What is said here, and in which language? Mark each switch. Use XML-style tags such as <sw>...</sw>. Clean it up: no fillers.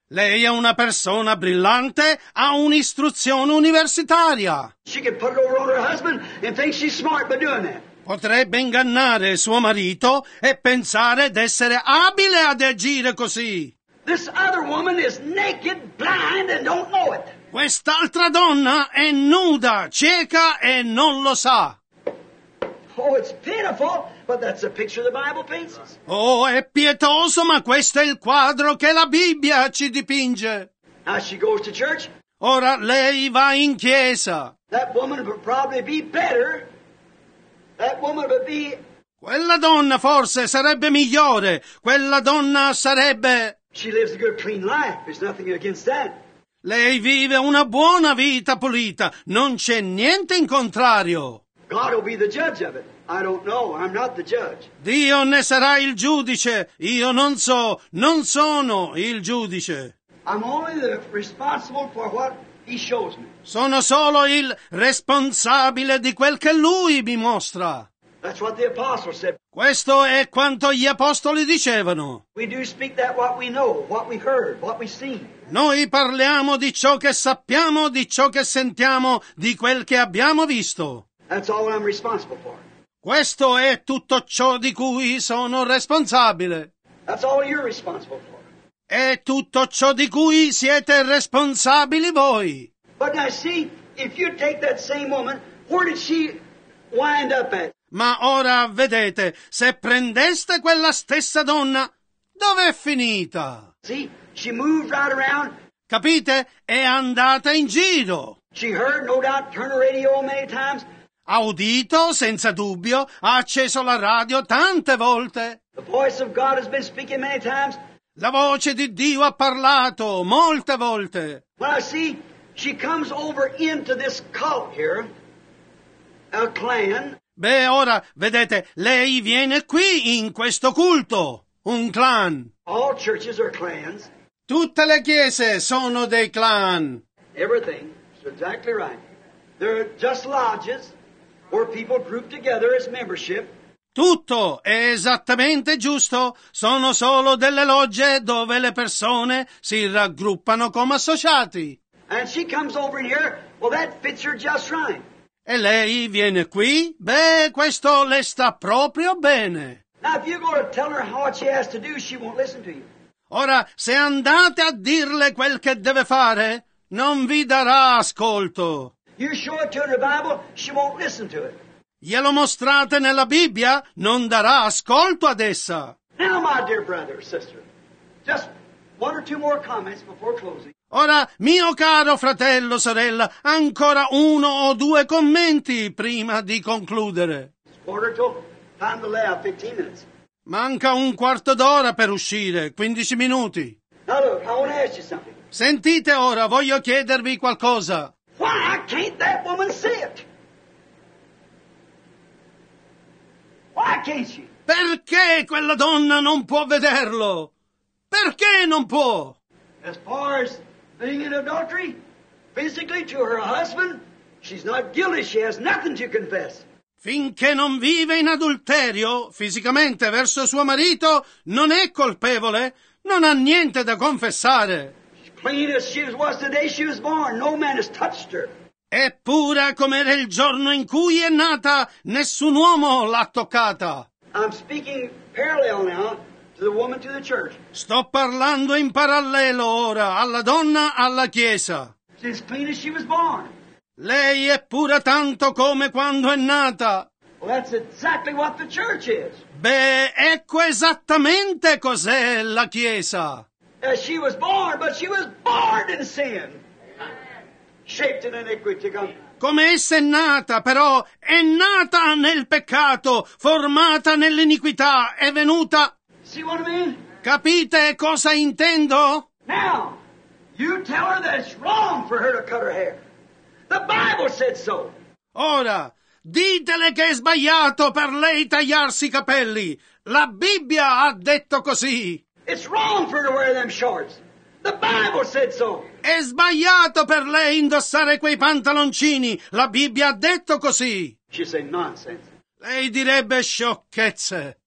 <it>Lei è una persona brillante, ha un'istruzione universitaria.</it> <en>She can put it over on her husband and think she's smart by doing that.</en> <it>Potrebbe ingannare suo marito e pensare d'essere abile ad agire così.</it> <en>This other woman is naked, blind, and don't know it.</en> <it>Quest'altra donna è nuda, cieca e non lo sa.</it> <en>Oh, it's pitiful, but that's the picture the Bible paints.</en> <it>Oh, è pietoso, ma questo è il quadro che la Bibbia ci dipinge.</it> <en>Now she goes to church.</en> <it>Ora lei va in chiesa.</it> <en>That woman would probably be better. That woman would be.</en> <it>Quella donna forse sarebbe migliore. Quella donna sarebbe.</it> <en>She lives a good, clean life. There's nothing against that.</en> <it>Lei vive una buona vita pulita. Non c'è niente in contrario.</it> <en>God will be the judge of it. I don't know. I'm not the judge.</en> <it>Dio ne sarà il giudice. Io non so. Non sono il giudice.</it> <en>I'm only the responsible for what he shows me.</en> <it>Sono solo il responsabile di quel che lui mi mostra.</it> <en>That's what the apostles said.</en> <it>Questo è quanto gli apostoli dicevano.</it> <en>We do speak that what we know, what we heard, what we see.</en> <it>Noi parliamo di ciò che sappiamo, di ciò che sentiamo, di quel che abbiamo visto.</it> <en>That's all I'm responsible for.</en> <it>Questo è tutto ciò di cui sono responsabile.</it> <en>That's all you're responsible for.</en> <it>È tutto ciò di cui siete responsabili voi.</it> <en>But now see, if you take that same woman, where did she wind up at?</en> <it>Ma ora vedete, se prendeste quella stessa donna, dov'è finita?</it> <en>See, she moved right around.</en> <it>Capite? È andata in giro.</it> <en>She heard, no doubt, turn the radio many times.</en> <it>Ha udito, senza dubbio, ha acceso la radio tante volte.</it> <en>The voice of God has been speaking many times.</en> <it>La voce di Dio ha parlato molte volte.</it> <en>Well, I see, she comes over into this cult here, a clan.</en> <it>Beh, ora, vedete, lei viene qui in questo culto, un clan.</it> <en>All churches are clans.</en> <it>Tutte le chiese sono dei clan.</it> <en>Everything is exactly right. They're just lodges where people group together as membership.</en> <it>Tutto è esattamente giusto. Sono solo delle logge dove le persone si raggruppano come associati.</it> <en>And she comes over here. Well, that fits her just right.</en> <it>E lei viene qui? Beh, questo le sta proprio bene.</it> <en>Now, if you go to tell her what she has to do, she won't listen to you.</en> <it>Ora, se andate a dirle quel che deve fare, non vi darà ascolto.</it> <en>You show it to her in the Bible, she won't listen to it.</en> <it>Glielo mostrate nella Bibbia, non darà ascolto ad essa.</it> <en>Now, my dear brother, sister, just one or two more comments before closing.</en> <it>Ora, mio caro fratello, sorella, ancora uno o due commenti prima di concludere.</it> <en>Quarter to time to leave, 15 minutes.</en> <it>Manca un quarto d'ora per uscire, 15 minuti.</it> <en>Now look, I want to ask you something.</en> <it>Sentite ora, voglio chiedervi qualcosa.</it> <en>Why can't that woman sit? Why can't she?</en> <it>Perché quella donna non può vederlo? Perché non può?</it> <en>As far as being in adultery, physically to her husband, she's not guilty, she has nothing to confess.</en> <it>Finché non vive in adulterio, fisicamente verso suo marito, non è colpevole, non ha niente da confessare.</it> <en>Clean as she was the day she was born, no man has touched her.</en> <it>Eppure, come era il giorno in cui è nata, nessun uomo l'ha toccata.</it> <en>I'm speaking parallel now to the woman to the church.</en> <it>Sto parlando in parallelo ora alla donna, alla chiesa.</it> <en>She's clean as she was born.</en> <it>Lei è pura tanto come quando è nata.</it> <en>Well, that's exactly what the church is.</en> <it>Beh, ecco esattamente cos'è la chiesa.</it> <en>She was born, but she was born in sin. Shaped in iniquity.</en> <it>Come essa è nata, però, è nata nel peccato, formata nell'iniquità, è venuta.</it> <en>See what I mean?</en> <it>Capite cosa intendo?</it> <en>Now, you tell her that it's wrong for her to cut her hair. The Bible said so.</en> <it>Ora, ditele che è sbagliato per lei tagliarsi i capelli. La Bibbia ha detto così.</it> <en>It's wrong for her to wear them shorts. The Bible said so.</en> <it>È sbagliato per lei indossare quei pantaloncini. La Bibbia ha detto così.</it> <en>She said nonsense.</en> <it>Lei direbbe sciocchezze.</it>